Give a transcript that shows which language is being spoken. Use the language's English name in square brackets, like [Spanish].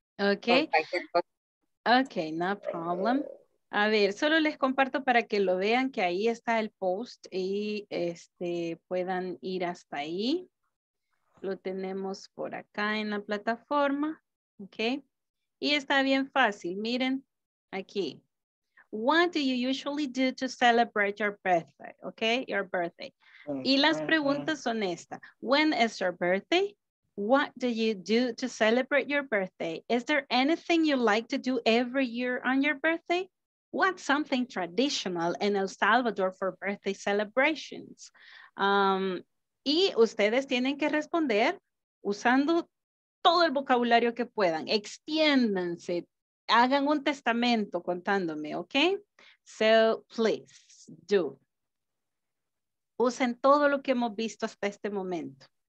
[English] Ok. Ok, no problem. [Spanish] A ver, solo les comparto para que lo vean que ahí está el post y puedan ir hasta ahí. Lo tenemos por acá en la plataforma, ¿ok? Y está bien fácil, miren aquí. [English] What do you usually do to celebrate your birthday? [Spanish] ¿Ok? [English] Your birthday. [Spanish] Y las preguntas son estas. [English] When is your birthday? What do you do to celebrate your birthday? Is there anything you like to do every year on your birthday? What's something traditional in El Salvador for birthday celebrations? [Spanish] Y ustedes tienen que responder usando todo el vocabulario que puedan. Extiéndanse, hagan un testamento contándome, ¿ok? [English] So, please, do. [Spanish] Usen todo lo que hemos visto hasta este momento.